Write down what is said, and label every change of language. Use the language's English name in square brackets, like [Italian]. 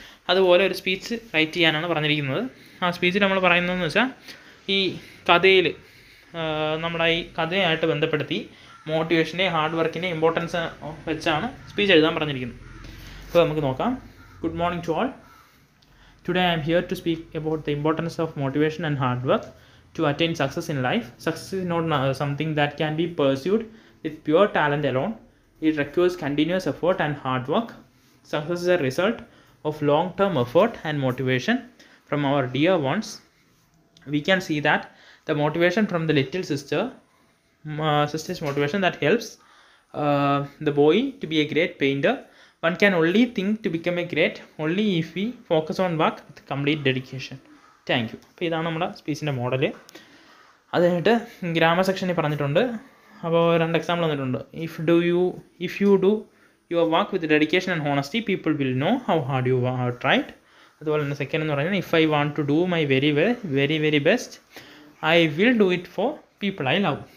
[Malayalam] അതുപോലെ ഒരു speech right ചെയ്യാനാണ് പറഞ്ഞിരിക്കുന്നത്. ആ സ്പീച്ചിൽ നമ്മൾ പറയുന്നതെന്ന് വെച്ചാൽ ഈ കഥയിൽ നമ്മുടെ ഈ കഥയായിട്ട് ബന്ധപ്പെടുത്തി മോട്ടിവേഷനെ ഹാർഡ് വർക്കിൻ്റെ ഇമ്പോർട്ടൻസ് വെച്ചാണ് സ്പീച്ച് എഴുതാൻ പറഞ്ഞിരിക്കുന്നത്. അപ്പോൾ നമുക്ക് നോക്കാം. [English] Good morning to all, today I am here to speak about the importance of motivation and hard work to attain success in life. Success is not something that can be pursued with pure talent alone. It requires continuous effort and hard work. Success is a result of long-term effort and motivation from our dear ones. We can see that the motivation from the little sister, sister's motivation that helps the boy to be a great painter. One can only think to become a great only if we focus on work with complete dedication. Thank you. [Malayalam] അപ്പോൾ ഇതാണ് നമ്മുടെ സ്പീച്ചിൻ്റെ model. അത് കഴിഞ്ഞിട്ട് grammar സെക്ഷനിൽ പറഞ്ഞിട്ടുണ്ട്. അപ്പോൾ രണ്ട് example തന്നിട്ടുണ്ട്, [English] If you do your work with dedication and honesty, people will know how hard you have tried. [Malayalam] അതുപോലെ തന്നെ സെക്കൻഡ് എന്ന് പറഞ്ഞാൽ, [English] If I want to do my very very very best, I will do it for people I love.